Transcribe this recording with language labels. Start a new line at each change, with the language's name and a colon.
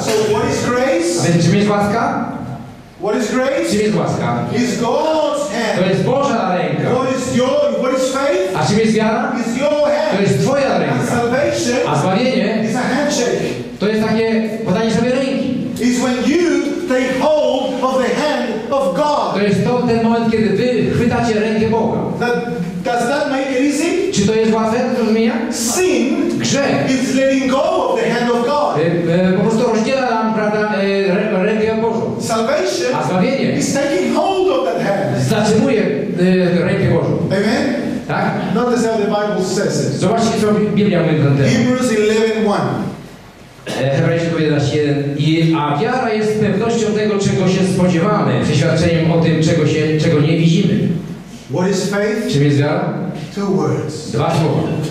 English: So what is grace?
Polish: A więc czym jest łaska?
English: What is grace?
Polish: Czym jest łaska?
English: Is God's hand.
Polish: To jest Boża ręka.
English: What is faith?
Polish: A czym jest wiara?
English: Is your hand.
Polish: To jest A zbawienie
English: is a handshake.
Polish: To jest takie podanie sobie ręki.
English: Is when you take hold of the hand of God.
Polish: To jest to ten moment, kiedy wy chwytacie rękę Boga.
English: Does that make it easy?
Polish: Czy to jest łatwe do zrozumienia?
English: Sin,
Polish: grzech,
English: is letting go of the hand of God.
Polish: Po prostu rozdziela nam, prawda, rękę Bożą.
English: Salvation,
Polish: a zbawienie
English: is taking hold of that hand.
Polish: Zatrzymuje rękę Bożą.
English: Amen.
Polish: Tak?
English: Notice how the Bible says it.
Polish: Zobaczcie, co Biblia mówi na ten temat.
English: Hebrews 11:1.
Polish: Hebrajczyków 11:1. A wiara jest pewnością tego, czego się spodziewamy, przeświadczeniem o tym, czego nie widzimy.
English: What is faith?
Polish: Czym jest wiara?
English: Two words.
Polish: Dwa słowa.